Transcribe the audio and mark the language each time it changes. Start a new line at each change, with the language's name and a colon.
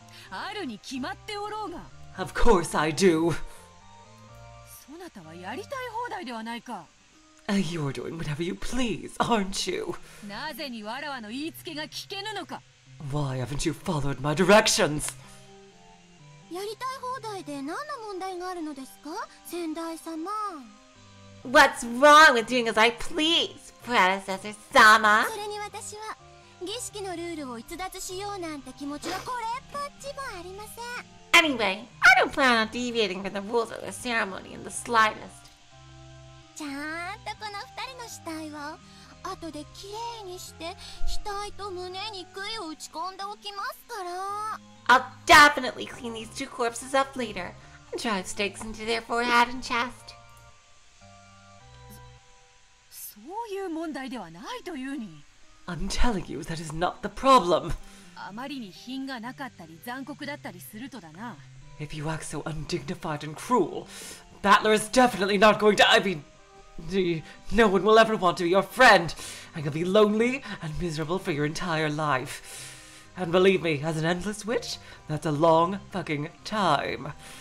Japanese: あるに決まっておろうが。
English: Of course I do.
Japanese: そなたはやりたい放題ではないか。
English: You are doing whatever you please, aren't you?
Japanese: なぜにわらわの言いつけが聞けぬのか。
English: Why haven't you followed my directions?
Japanese: やりたい放題で何の問題があるのですか、先代様。
English: What's wrong with doing as I please, predecessor 様?
Japanese: それに私は。儀式のルールを逸脱しようなんて気持ちはこれっぽっちもありません。
English: Anyway, I don't plan on deviating from the rules of the ceremony in the slightest.
Japanese: ちゃんとこの二人の死体を後で綺麗にして額と胸に杭を打ち込んでおきますから。
English: I'll definitely clean these two corpses up later and drive stakes into their forehead and chest.
Japanese: そういう問題ではないというに。
English: I'm telling you, that is not the problem.
Japanese: あまりに品がなかったり残酷だったりするとだな。
English: If you act so undignified and cruel, Battler is definitely not going to... I mean... No one will ever want to be your friend. And you'll be lonely and miserable for your entire life. And believe me, as an endless witch, that's a long fucking time.